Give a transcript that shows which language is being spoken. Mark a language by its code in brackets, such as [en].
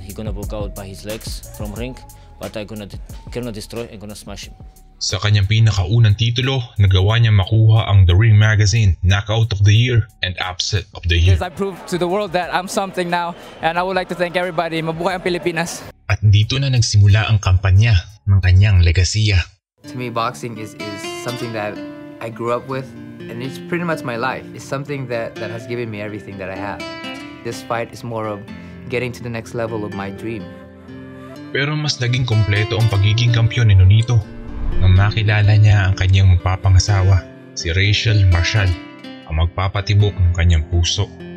[en] He gonna walk out by his legs from ring, but I cannot destroy and gonna smash him. [tl] Sa kanyang pinakaunang titulo, nagawa niya makuha ang The Ring Magazine Knockout of the Year and Upset of the Year. [en] Because I proved to the world that I'm something now and I would like to thank everybody. [tl] Mabuhay ang Pilipinas. At dito na nagsimula ang kampanya ng kanyang legasiya. [en] To me, boxing is something that I grew up with and it's pretty much my life. It's something that has given me everything that I have. This fight is more of getting to the next level of my dream. [tl] Pero mas naging kompleto ang pagiging kampiyon ni Nonito nang makilala niya ang kanyang magpapangasawa, si Rachel Marshall, ang magpapatibok ng kanyang puso.